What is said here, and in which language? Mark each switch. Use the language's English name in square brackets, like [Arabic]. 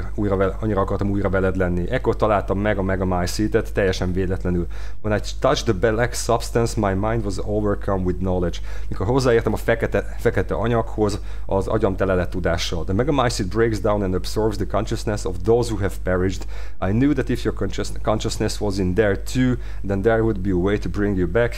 [Hungarian] Annyira akartam újra veled lenni. Ekkor találtam meg a megamycid-et teljesen véletlenül. [English] When I touched the black substance, my mind was overcome with knowledge. [Hungarian] Mikor hozzáértem a fekete anyaghoz, az agyam tele lett tudással. [English] The megamycid breaks down and absorbs the consciousness of those who have perished. I knew that if your consciousness was in there too, then there would be a way to bring you back.